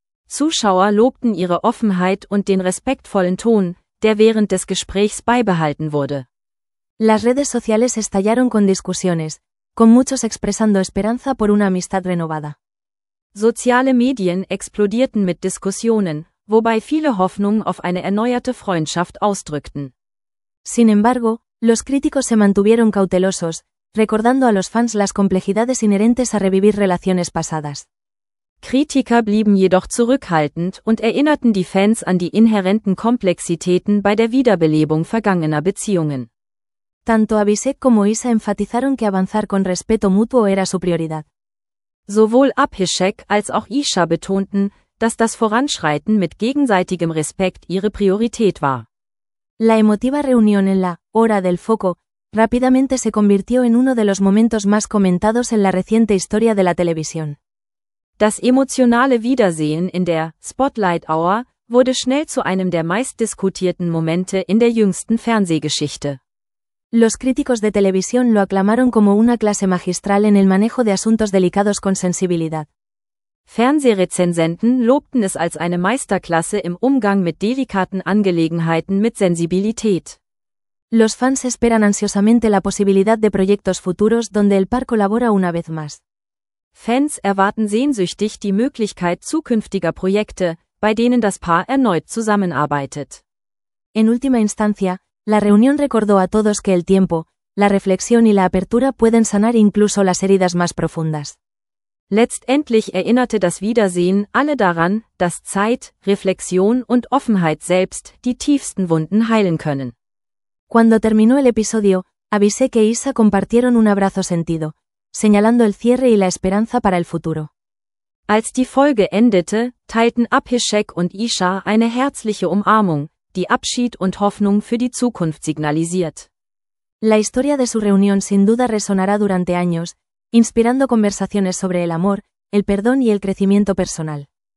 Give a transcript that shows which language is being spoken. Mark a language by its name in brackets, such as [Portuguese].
[German] Zuschauer lobten ihre Offenheit und den respektvollen Ton, der während des Gesprächs beibehalten wurde. [Spanish] Las redes sociales estallaron con discusiones, con muchos expresando esperanza por una amistad renovada. [German] Soziale Medien explodierten mit Diskussionen, wobei viele Hoffnung auf eine erneuerte Freundschaft ausdrückten. [Spanish] Sin embargo, los críticos se mantuvieron cautelosos, recordando a los fans las complejidades inherentes a revivir relaciones pasadas. [German] Kritiker blieben jedoch zurückhaltend und erinnerten die Fans an die inhärenten Komplexitäten bei der Wiederbelebung vergangener Beziehungen. [Spanish] Tanto Abhishek como Isa enfatizaron que avanzar con respeto mutuo era su prioridad. [German] Sowohl Abhishek als auch Isa betonten, dass das Voranschreiten mit gegenseitigem Respekt ihre Priorität war. [Spanish] La emotiva reunión en la Hora del Foco rápidamente se convirtió en uno de los momentos más comentados en la reciente historia de la televisión. [German] Das emotionale Wiedersehen in der Spotlight Hour wurde schnell zu einem der meistdiskutierten Momente in der jüngsten Fernsehgeschichte. [Spanish] Los críticos de televisión lo aclamaron como una clase magistral en el manejo de asuntos delicados con sensibilidad. [German] Fernsehrezensenten lobten es als eine Meisterklasse im Umgang mit delikaten Angelegenheiten mit Sensibilität. [Spanish] Los fans esperan ansiosamente la posibilidad de proyectos futuros donde el par colabora una vez más. [German] Fans erwarten sehnsüchtig die Möglichkeit zukünftiger Projekte, bei denen das Paar erneut zusammenarbeitet. [Spanish] En última instancia, la reunión recordó a todos que el tiempo, la reflexión y la apertura pueden sanar incluso las heridas más profundas. [German] Letztendlich erinnerte das Wiedersehen alle daran, dass Zeit, Reflexion und Offenheit selbst die tiefsten Wunden heilen können. [Spanish] Cuando terminó el episodio, Abhishek e Isa compartieron un abrazo sentido, señalando el cierre y la esperanza para el futuro. [German] Als die Folge endete, teilten Abhishek und Isha eine herzliche Umarmung, die Abschied und Hoffnung für die Zukunft signalisiert. [Spanish] La historia de su reunión sin duda resonará durante años, inspirando conversaciones sobre el amor, el perdón y el crecimiento personal.